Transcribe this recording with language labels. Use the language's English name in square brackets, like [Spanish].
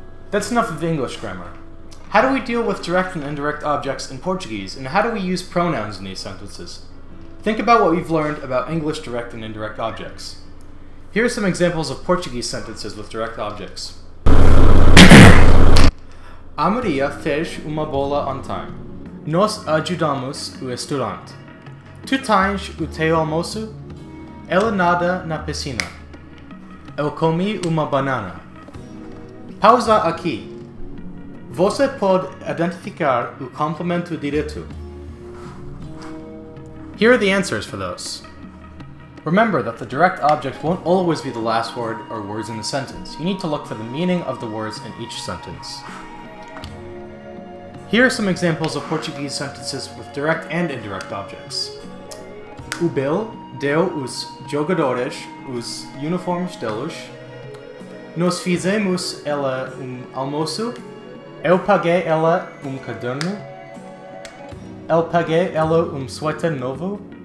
[English] That's enough of English grammar. How do we deal with direct and indirect objects in Portuguese, and how do we use pronouns in these sentences? Think about what we've learned about English direct and indirect objects. Here are some examples of Portuguese sentences with direct objects. [Portuguese] A Maria fez uma bola on time. Nós ajudamos o estudante. Tu tens o teu almoço? Ela nada na piscina. Eu comi uma banana. Pausa aqui. Você pode identificar o complemento direto. [English] Here are the answers for those. Remember that the direct object won't always be the last word or words in the sentence. You need to look for the meaning of the words in each sentence. Here are some examples of Portuguese sentences with direct and indirect objects. [Portuguese] O Bill deu os jogadores os uniformes delos. Nós fizemos ela almoço. Eu paguei ela caderno. Eu paguei ela suéter novo.